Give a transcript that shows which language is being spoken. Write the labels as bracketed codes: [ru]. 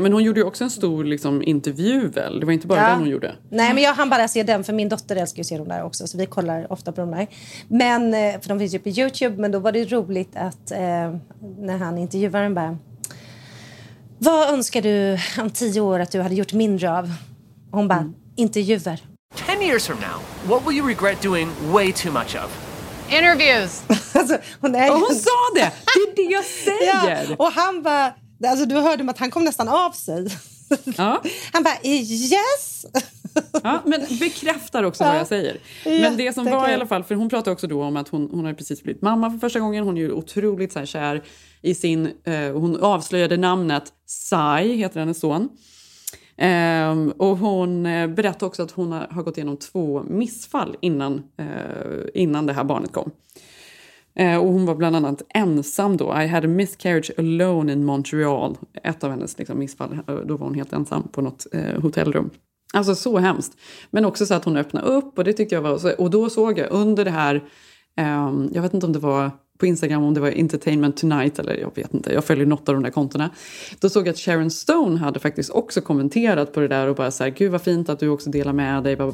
[sv] Men hon gjorde ju också en stor liksom, intervju väl. Det var inte bara den hon gjorde. Nej, men jag hann bara se den. För min dotter älskar ju se dem där också. Så vi kollar ofta på dem där. Men, för de finns ju på YouTube. Men då var det roligt att när han intervjuade den bara... Vad önskar du om 10 år att du hade gjort mindre av? Hon bara, intervjuer. [en] 10 years from now, what will you regret doing way too much of? Interviews. [sv] Alltså, hon är ju... Och hon sa det! Det är det jag säger! Ja. Och han bara, alltså, du hörde att han kom nästan av sig. Ja. Han bara, yes! Ja, men bekräftar också vad jag säger. Men det som var i alla fall, för hon pratade också då om att hon har precis blivit mamma för första gången. Hon är ju otroligt så här kär i sin, hon avslöjade namnet Sai, heter hennes son. Och hon berättade också att hon har gått igenom 2 missfall innan det här barnet kom. Och hon var bland annat ensam då. [en] I had a miscarriage alone in Montreal. [sv] Ett av hennes liksom, missfall, då var hon helt ensam på något hotellrum. Alltså så hemskt. Men också så att hon öppnade upp och det tyckte jag var... Och då såg jag under det här... jag vet inte om det var på Instagram, om det var Entertainment Tonight eller jag vet inte. Jag följer något av de där kontorna. Då såg jag att Sharon Stone hade faktiskt också kommenterat på det där. Och bara så här, gud vad fint att du också delar med dig.